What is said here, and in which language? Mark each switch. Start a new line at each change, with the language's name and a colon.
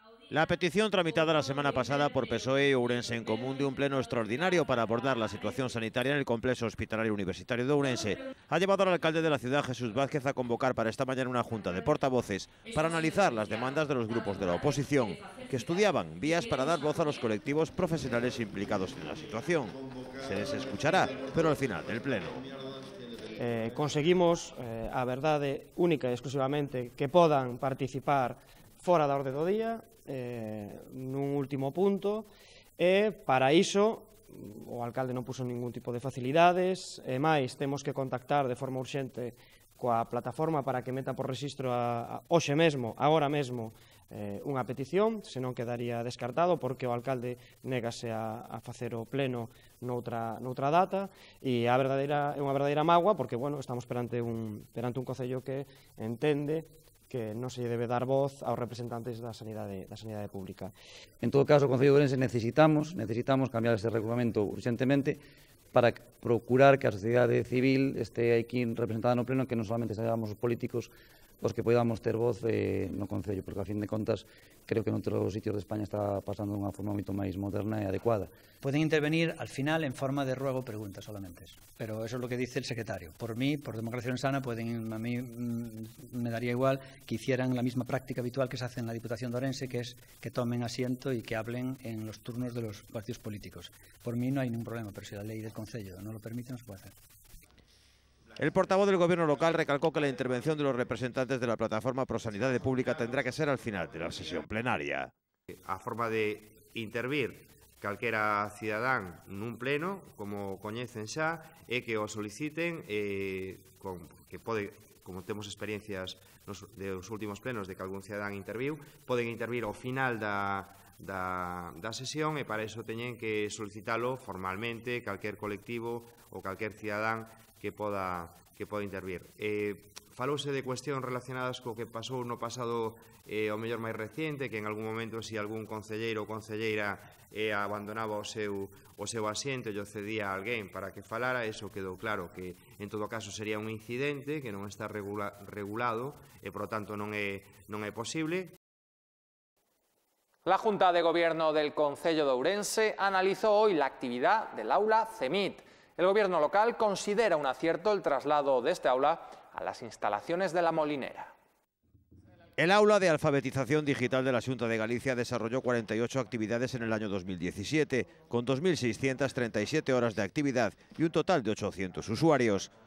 Spanish: La petición tramitada la semana pasada por PSOE y Ourense en Común de un pleno extraordinario para abordar la situación sanitaria en el complejo hospitalario universitario de Ourense ha llevado al alcalde de la ciudad, Jesús Vázquez, a convocar para esta mañana una junta de portavoces para analizar las demandas de los grupos de la oposición, que estudiaban vías para dar voz a los colectivos profesionales implicados en la situación. Se les escuchará, pero al final del pleno.
Galician: Conseguimos, a verdade
Spanish: única y exclusivamente, que puedan participar
Galician: fora da orde do día, nun último punto, e para iso o alcalde non puso ningún tipo de facilidades, e máis, temos que contactar de forma urxente coa plataforma para que meta por rexistro hoxe mesmo, agora mesmo, unha petición, senón quedaría descartado porque o alcalde negase a facer o pleno noutra data, e é unha verdadeira mágoa porque, bueno, estamos perante un concello que entende que non se debe dar voz aos representantes da sanidade pública. En todo caso, o Concello de Ourense necesitamos cambiar este regulamento urgentemente para procurar que a sociedade civil este aquí representada no pleno, que non solamente seamos os políticos os que podamos ter voz no Concello, porque a fin de contas creo que noutros sitios de España está pasando unha forma moito máis moderna e adecuada.
Spanish: Poden intervenir al final en forma de ruego pregunta solamente, pero eso es lo que dice el secretario. Por mí, por Democracia Sana, me daría igual que hicieran la misma práctica habitual que se hace en la Diputación de Ourense, que es que tomen asiento y que hablen en los turnos de los partidos políticos. Por mí no hay ningún problema, pero si la ley del Concello no lo permite, no se puede hacer. El portavoz del Gobierno local recalcó que la intervención de los representantes de la plataforma Pro Sanidad de Pública tendrá que ser al final de la sesión plenaria.
Galician: A forma de intervir calquera cidadán nun pleno, como coñecen xa, é que o soliciten, que pode, como temos experiencias dos últimos plenos de que algún cidadán interviu, poden intervir ao final da sesión e para iso teñen que solicitalo formalmente calquer colectivo ou calquer cidadán que poda intervir. Falouse de cuestións relacionadas co que pasou no pasado, o mellor máis reciente, que en algún momento si algún concelleiro ou concelleira abandonaba o seu asiento e o cedía a alguén para que falara, eso quedou claro, que en todo caso sería un incidente que non está regulado e, por tanto, non é posible.
Spanish: La Junta de Gobierno del Concello de Ourense analizó hoy la actividad del aula CEMIT. El Gobierno local considera un acierto el traslado de este aula a las instalaciones de La Molinera. El aula de alfabetización digital de la Xunta de Galicia desarrolló 48 actividades en el año 2017, con 2.637 horas de actividad y un total de 800 usuarios.